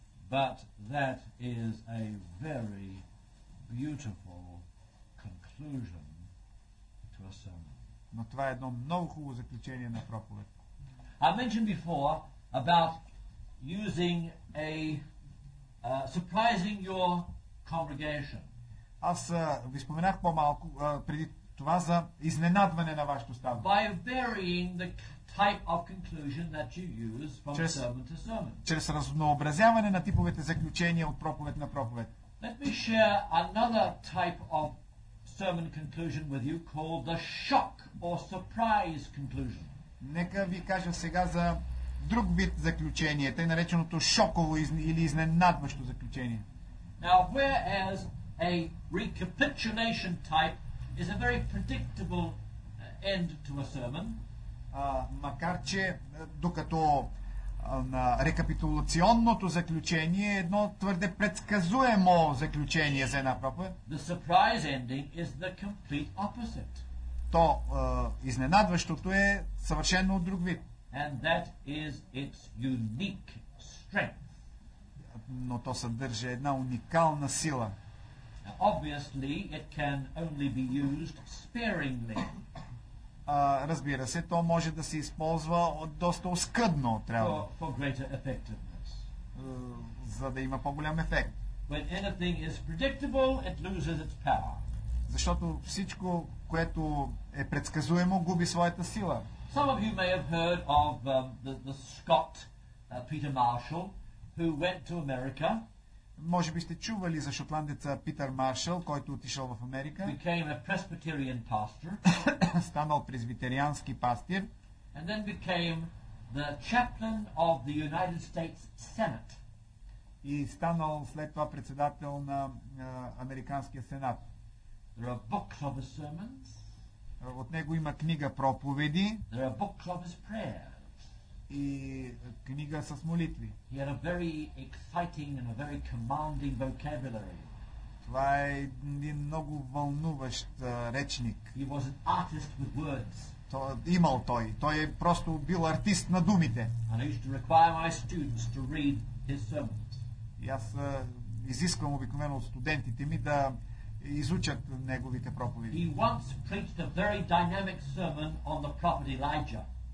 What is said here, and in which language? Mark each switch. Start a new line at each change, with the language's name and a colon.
English: But that is a very beautiful conclusion to a sermon.
Bulgarian: Но това е едно много хубаво заключение на проповед.
English: I mentioned before about using a surprising your congregation.
Bulgarian: Аз ви споменах по-малко преди това за изненадване на вашето ставо.
English: By varying the type of conclusion that you use from чрез, sermon to sermon.
Bulgarian: Чрез разнообразяване на типовете заключения от проповед на проповед.
English: Let me share another type of sermon conclusion with you called the shock or surprise conclusion.
Bulgarian: Нека ви кажа сега за друг вид заключение, тъй нареченото шоково или изненадващо заключение.
English: Now, whereas a recapitulation type is a very predictable end to a sermon,
Bulgarian: Макар че докато на рекапитулационното заключение е едно твърде предсказуемо заключение за една проповед.
English: The surprise ending is the complete opposite.
Bulgarian: То изненадващото е съвършено от друг вид.
English: And that is its unique strength.
Bulgarian: но то съдържа една уникална сила.
English: Obviously, it can only be used sparingly.
Bulgarian: Разбира се, то може да се използва доста оскъдно, трябва.
English: For greater effectiveness.
Bulgarian: За да има по-голям ефект.
English: When anything is predictable, it loses its power.
Bulgarian: Защото всичко, което е предсказуемо, губи своята сила.
English: Some of you may have heard of the Scott Peter Marshall, who went to America.
Bulgarian: Може би сте чували за шотландеца Питър Маршал, който отишъл в Америка.
English: Became a Presbyterian pastor.
Bulgarian: Станал презвитериански пастир.
English: And then became the chaplain of the United States Senate.
Bulgarian: И станал след това председател на американския сенат.
English: There are books of his sermons.
Bulgarian: От него има книга проповеди.
English: There are books of his prayers.
Bulgarian: И книга с молитви.
English: He had a very exciting and a very commanding vocabulary.
Bulgarian: Това е един много вълнуващ речник.
English: He was an artist with words.
Bulgarian: То, имал той. Той е просто бил артист на думите.
English: And I used to require my students to read his sermons.
Bulgarian: И аз изисквам обикновено от студентите ми да изучат неговите проповеди.
English: He once preached a very dynamic sermon on the prophet Elijah.